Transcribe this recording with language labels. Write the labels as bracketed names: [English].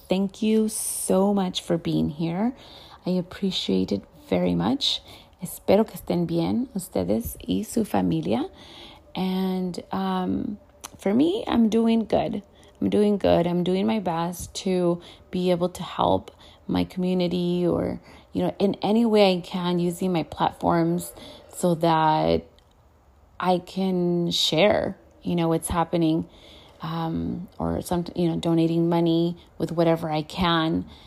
[English] Thank you so much for being here. I appreciate it very much. [Spanish] Espero que estén bien, ustedes y su familia. [English] And for me, I'm doing good. I'm doing my best to be able to help my community or, you know, in any way I can using my platforms so that I can share, you know, what's happening or some, you know, donating money with whatever I can.